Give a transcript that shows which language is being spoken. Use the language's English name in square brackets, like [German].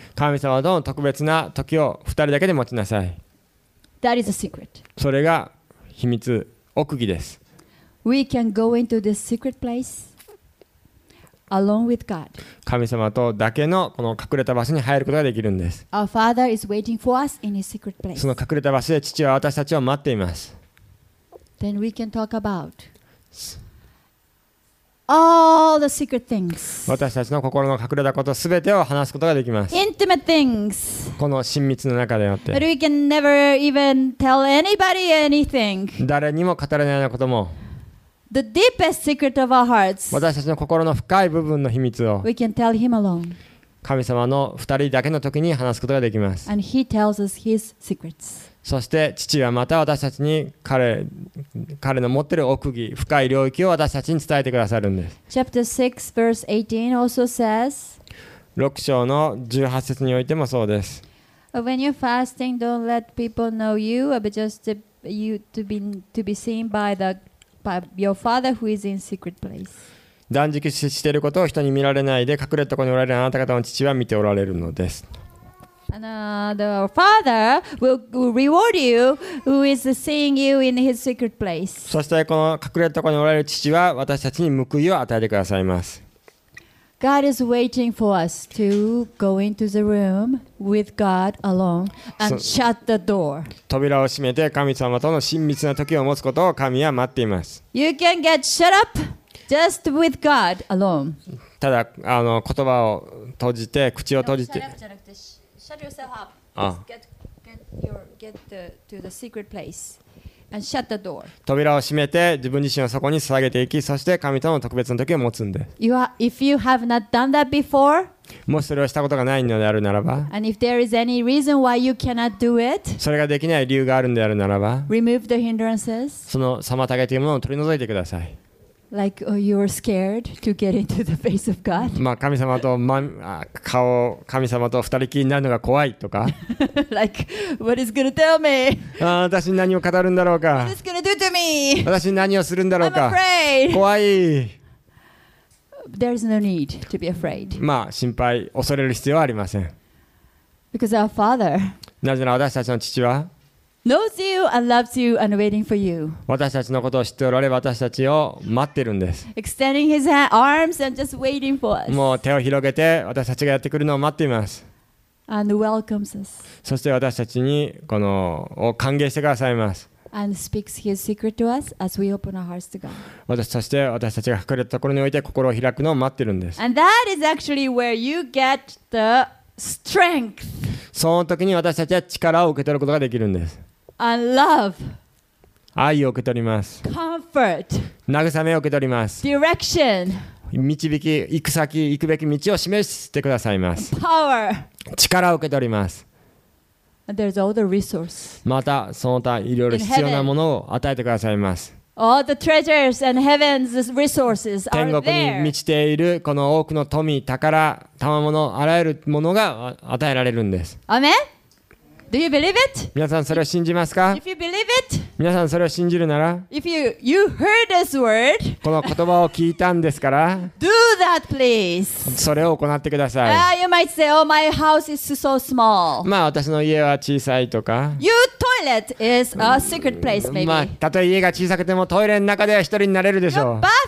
[Japanese] 神様との特別な時を二人だけで持ちなさい。 [English] That is a secret. [Japanese] それが秘密、奥義です。 [English] We can go into this secret place. Along with God. [Japanese] 神様とだけのこの隠れた場所に入ることができるんです。 [English] Our Father is waiting for us in His secret place. [Japanese] その隠れた場所で父は私たちを待っています。 [English] Then we can talk about all the secret things. [Japanese] 私たちの心の隠れたことすべてを話すことができます。 [English] Intimate things. [Japanese] この親密の中であって。 [English] But we can never even tell anybody anything. [Japanese] 誰にも語れないようなことも。 [English] The deepest secret of our hearts. [Japanese] 私たちの心の深い部分の秘密を [English] We can tell him alone. [Japanese] 神様の2人だけの時に話すことができます。 [English] And he tells us his secrets. [Japanese] そして父はまた私たちに 彼の持っている奥義、深い領域を私たちに伝えてくださるんです。 [English] Chapter 6, verse 18 also says, [Japanese] 6章の18節においてもそうです。 [English] When you're fasting, don't let people know you, but just you to be seen by, the, by your father who is in secret place. [Japanese] 断食していることを人に見られないで隠れたところにおられるあなた方の父は見ておられるのです。 [English] The father will reward you who is seeing you in his secret place. [Japanese] そしてこの隠れたところにおられる父は私たちに報いを与えてくださいます。 [English] God is waiting for us to go into the room with God alone and shut the door. [Japanese] 扉を閉めて神様との親密な時を持つことを神は待っています。 [English] You can get shut up. Just with God alone. [Japanese] ただ言葉を閉じて口を閉じて。扉を閉めて自分自身をそこに捧げていき、そして神との特別な時を持つんで。 [English] If you have not done that before, [Japanese] もしそれをしたことがないのであるならば、 [English] and if there is any reason why you cannot do it, [Japanese] それができない理由があるのであるならば、 [English] remove the hindrances, [Japanese] その妨げというものを取り除いてください。 [English] Like you are scared to get into the face of God. [Japanese] まあ神様と神様と二人きりになるのが怖いとか。 [English] Like what is gonna tell me? [Japanese] ああ私に何を語るんだろうか。 [English] What is gonna do to me? [Japanese] 私に何をするんだろうか。 [English] I'm afraid. [Japanese] 怖い。 [English] There is no need to be afraid. [Japanese] まあ心配恐れる必要はありません。 [English] Because our Father. [Japanese] なぜなら私たちの父は。 [English] Knows you and loves you and waiting for you. [Japanese] 私たちのことを知っておられ、私たちを待ってるんです。 [English] Extending his arms and just waiting for us. [Japanese] もう手を広げて私たちがやってくるのを待っています。 [English] And welcomes us. [Japanese] そして私たちにこのを歓迎してくださいます。 [English] And speaks his secret to us as we open our hearts to God. [Japanese] そして私たちが隠れたところにおいて心を開くのを待ってるんです。 [English] And that is actually where you get the strength. [Japanese] その時に私たちは力を受け取ることができるんです。 [English] And love. [Japanese] 愛を受け取ります。 [English] Comfort. [Japanese] 慰めを受け取ります。 [English] Direction. [Japanese] 導き、行く先、行くべき道を示してくださいます。 [English] Power. [Japanese] 力を受け取ります。 [English] And there's all the resources. [Japanese] またその他いろいろ必要なものを与えてくださいます。 [English] All the treasures and heaven's resources are there. [Japanese] 天国に満ちているこの多くの富、宝、賜物、あらゆるものが与えられるんです。 [English] Amen? Do you believe it? [Japanese] 皆さんそれを信じますか? [English] If you believe it, [Japanese] 皆さんそれを信じるなら [English] If you heard this word, [Japanese] この言葉を聞いたんですから [English] Do that, please. [Japanese] それを行ってください。 [English] You might say, oh, my house is so small. [Japanese] まあ私の家は小さいとか [English] Your toilet is a secret place, maybe. [Japanese] まあたとえ家が小さくてもトイレの中では一人になれるでしょう。